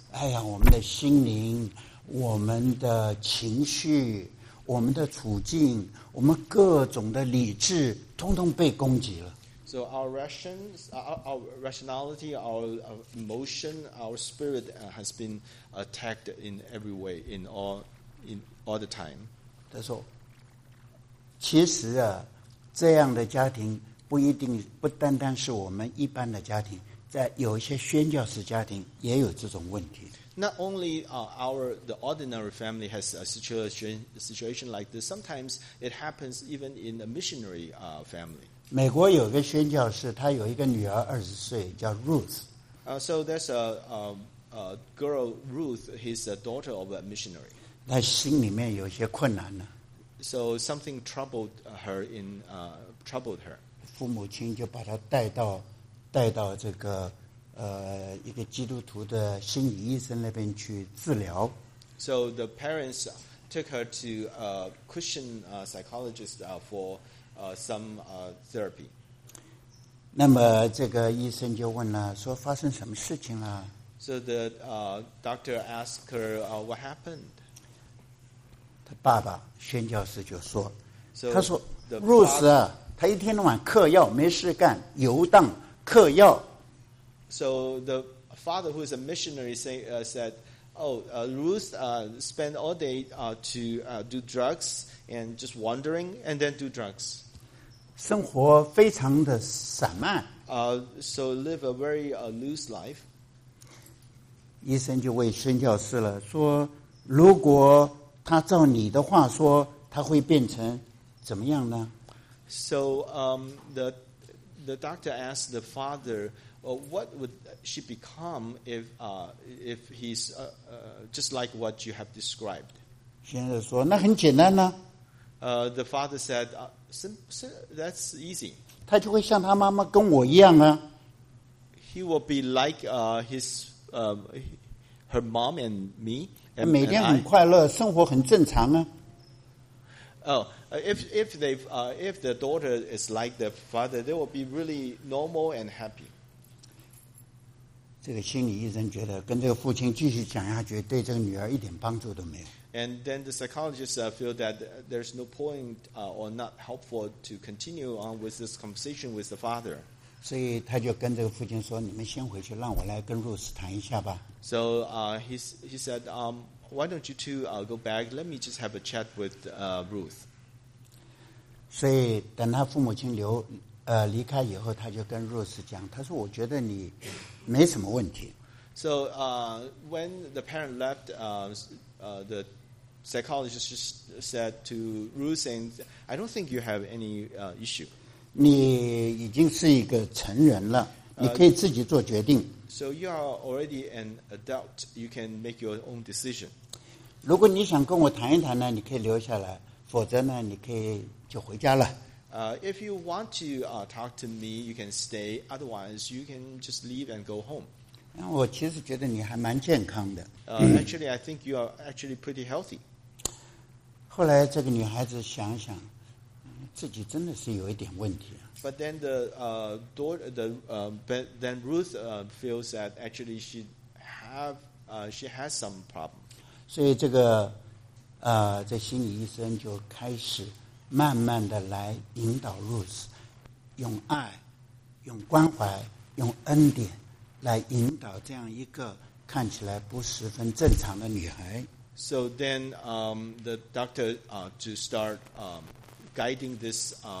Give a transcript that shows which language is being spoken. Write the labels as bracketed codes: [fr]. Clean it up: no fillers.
[zh] 哎呀，我们的心灵，我们的情绪，我们的处境，我们各种的理智，通通被攻击了。 [en] So our rationality, our emotion, our spirit has been attacked in every way, in all the time. [zh] 他说，其实啊，这样的家庭。不一定不单单是我们一般的家庭，在有一些宣教士家庭也有这种问题。 [en] Not only the ordinary family has a situation like this. Sometimes it happens even in a missionary family. [zh] 美国有一个宣教士，他有一个女儿20岁，叫 Ruth. [en] So there's a girl Ruth, his daughter of a missionary. [zh] 她心里面有些困难呢。 [en] So something troubled her. [zh] 父母亲就把他带到这个一个基督徒的心理医生那边去治疗。 [en] So the parents took her to a Christian psychologist for some therapy. [zh] 那么这个医生就问了，说发生什么事情了 [en] ？So the doctor asked her what happened. [zh] 他爸爸宣教士就说， so、他说 ，Ruth 啊。他一天到晚嗑药，没事干，游荡，嗑药。 [en] So the father, who is a missionary, said, Ruth spend all day do drugs and just wandering and then do drugs. [zh] 生活非常的散漫。 [en] So live a very loose life. [zh] 医生就问宣教士了，说如果他照你的话说，他会变成怎么样呢？ [en] So the doctor asked the father, what would she become if he's just like what you have described? [zh] 先生说那很简单呢。 [en] The father said, that's easy. [zh] 他就会像他妈妈跟我一样啊。 [en] He will be like her mom and me. [zh] 每天很快乐，生活很正常啊。 [en] If the daughter is like the father, they will be really normal and happy. [zh] 这个心理医生觉得跟这个父亲继续讲下去，对这个女儿一点帮助都没有。 [en] And then the psychologist feel that there's no point or not helpful to continue on with this conversation with the father. [zh] 所以他就跟这个父亲说：“你们先回去，让我来跟 Ruth 谈一下吧。” [en] So he said, why don't you two go back? Let me just have a chat with Ruth. [zh] 所以等他父母亲离开以后，他就跟 Ruth 讲，他说：“我觉得你没什么问题。” [en] So, when the parent left, the psychologist said to Ruth, "Saying, I don't think you have any issue." [zh] 你已经是一个成人了，你可以自己做决定。 [en] So you are already an adult. You can make your own decision. [zh] 如果你想跟我谈一谈呢，你可以留下来；否则呢，你可以就回家了。 [en] If you want to talk to me, you can stay. Otherwise, you can just leave and go home. [zh] 我其实觉得你还蛮健康的。 [en] Actually, I think you are actually pretty healthy. [zh] 后来这个女孩子想想，自己真的是有一点问题。 [en] But then the Ruth feels that actually she has some problem. [zh] 所以这个这心理医生就开始慢慢的来引导 Ruth， 用爱、用关怀、用恩典来引导这样一个看起来不十分正常的女孩。 [en] So then the doctor to start guiding this.